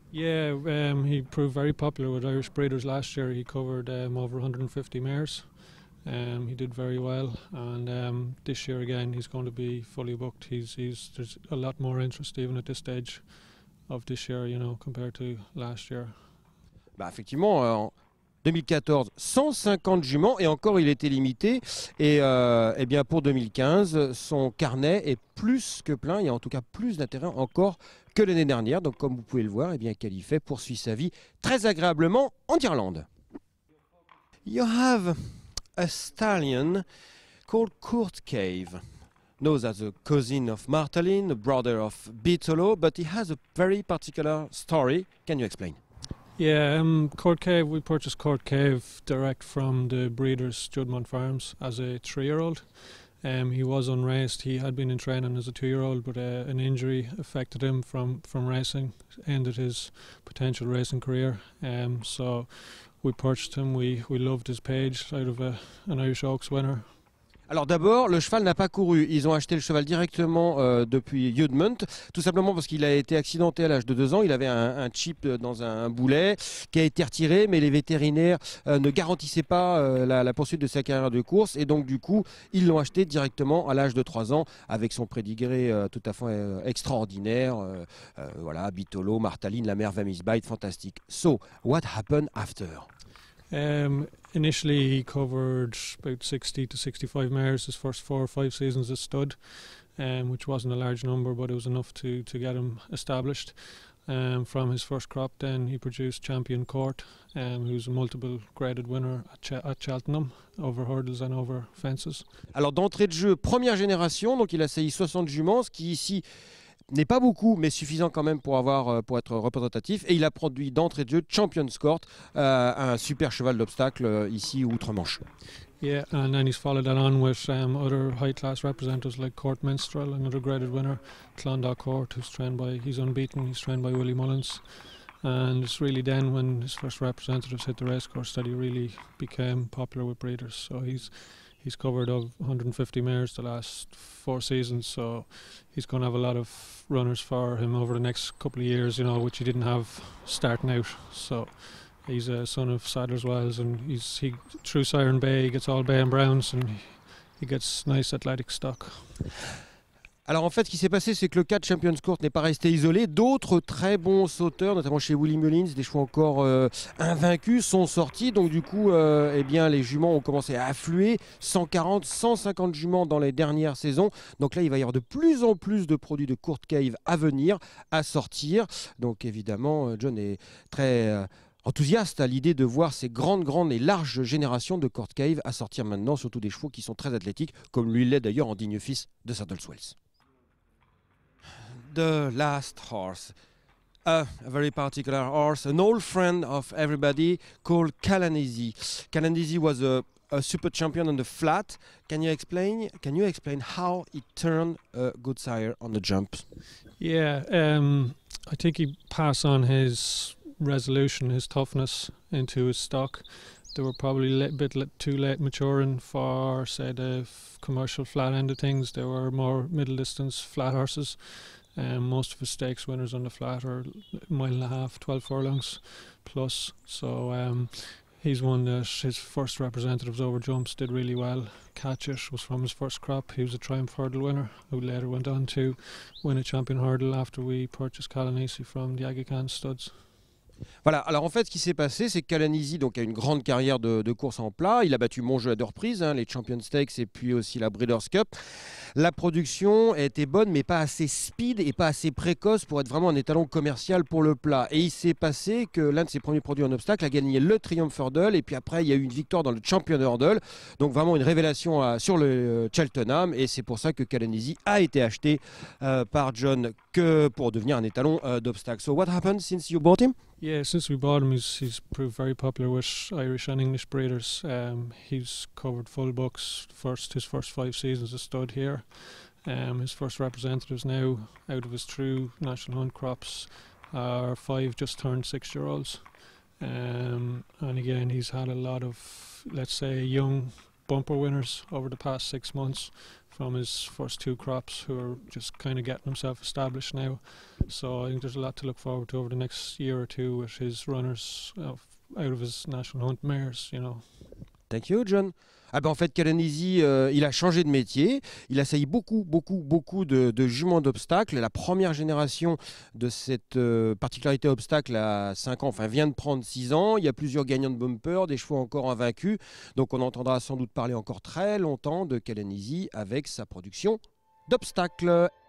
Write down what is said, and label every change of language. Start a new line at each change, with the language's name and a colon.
English: Yeah, he proved very popular with Irish breeders last year. He covered over 150 mares. He did very well, and this year again he's going to be fully booked. There's a lot more interest even at this stage of this year, you know, compared to last year.
French: Bah effectivement, en 2014, 150 juments et encore il était limité. Et eh bien pour 2015, son carnet est plus que plein. Il y a en tout cas plus d'intérêt encore que l'année dernière. Donc comme vous pouvez le voir, eh bien Califé poursuit sa vie très agréablement en Irlande.
English: You have a stallion called Court Cave, known as a cousin of Martellin, a brother of Bitolo, but he has a very particular story. Can you explain? Yeah, Court Cave, we purchased Court Cave direct from the breeders Judmont Farms as a three-year-old. He was unraced. He had been in training as a two-year-old, but an injury affected him from racing, ended his potential racing career. So we purchased him. We loved his page out of an Irish Oaks winner.
French: Alors d'abord, le cheval n'a pas couru. Ils ont acheté le cheval directement depuis Judmont, tout simplement parce qu'il a été accidenté à l'âge de 2 ans. Il avait un chip dans un boulet qui a été retiré, mais les vétérinaires ne garantissaient pas la poursuite de sa carrière de course. Et donc du coup, ils l'ont acheté directement à l'âge de 3 ans avec son pedigree tout à fait extraordinaire. Voilà, Bitolo, Martellin, la mère Vamis Bite, fantastique.
English: So, what happened after? Initially, he covered about 60 to 65 mares his first 4 or 5 seasons as stud, which wasn't a large number, but it was enough to get him established. From his first crop, then he produced Champion Court, who's a multiple graded winner at Cheltenham over hurdles and over fences.
French: Alors d'entrée de jeu, première génération, donc il a saillé 60 juments, ce qui ici n'est pas beaucoup, mais suffisant quand même pour être représentatif. Et il a produit d'entrée de jeu Champion's Court, un super cheval d'obstacle ici outre-Manche.
English: Yeah, and then he's followed that on with other high-class representatives like Court Minstrel, another graded winner, Clondalk Court, who's trained by, he's unbeaten, he's trained by Willie Mullins. And it's really then when his first representatives hit the racecourse that he really became popular with breeders. So he's covered over 150 mares the last four seasons. So he's going to have a lot of runners for him over the next couple of years, you know, which he didn't have starting out. So he's a son of Sadler's Wells, and through Siren Bay, he gets all Bay and Browns, and he gets nice athletic stock.
French: Alors en fait, ce qui s'est passé, c'est que le cas de Champions Court n'est pas resté isolé. D'autres très bons sauteurs, notamment chez Willie Mullins, des chevaux encore invaincus, sont sortis. Donc du coup, les juments ont commencé à affluer. 140, 150 juments dans les dernières saisons. Donc là, il va y avoir de plus en plus de produits de Court Cave à venir, à sortir. Donc évidemment, John est très enthousiaste à l'idée de voir ces grandes et larges générations de Court Cave à sortir maintenant, surtout des chevaux qui sont très athlétiques, comme lui l'est d'ailleurs en digne fils de Saddle's Wells.
English: The last horse, a very particular horse, an old friend of everybody called Kalanizi. Kalanizi was a super champion on the flat. Can you explain how he turned a good sire on the jump? Yeah, I think he passed on his resolution, his toughness into his stock. They were probably a bit too late maturing for, say, the commercial flat end of things. They were more middle distance flat horses. Most of his stakes winners on the flat are mile and a half, 12 furlongs plus. So he's one that his first representatives over jumps did really well. Catchish was from his first crop. He was a Triumph Hurdle winner who later went on to win a Champion Hurdle after we purchased Kalanizi from the Aga Khan studs.
French: Voilà, alors en fait ce qui s'est passé, c'est que Kalanizi donc, a une grande carrière de course en plat. Il a battu Mon Jeu à deux reprises, hein, les Champion Stakes et puis aussi la Breeders' Cup. La production a été bonne, mais pas assez speed et pas assez précoce pour être vraiment un étalon commercial pour le plat. Et il s'est passé que l'un de ses premiers produits en obstacle a gagné le Triumph Hurdle, et puis après il y a eu une victoire dans le Champion Hurdle. Donc vraiment une révélation sur le Cheltenham, et c'est pour ça que Kalanizi a été acheté par John que pour devenir un étalon d'obstacle.
English: So what happened since you bought him? Yeah, since we bought him, he's proved very popular with Irish and English breeders. He's covered full books his first five seasons of stud here. His first representatives now, out of his true National Hunt crops, are five just turned six-year-olds. And again, he's had a lot of, let's say, young bumper winners over the past 6 months from his first two crops, who are just kind of getting himself established now. So I think there's a lot to look forward to over the next year or two with his runners out of his National Hunt mares, you know. Thank you, John.
French: Ah ben en fait, Kalanizi, il a changé de métier. Il a essayé beaucoup de juments d'obstacles. La première génération de cette particularité obstacle a 5 ans, enfin vient de prendre 6 ans. Il y a plusieurs gagnants de bumper, des chevaux encore invaincus. Donc on entendra sans doute parler encore très longtemps de Kalanizi avec sa production d'obstacles.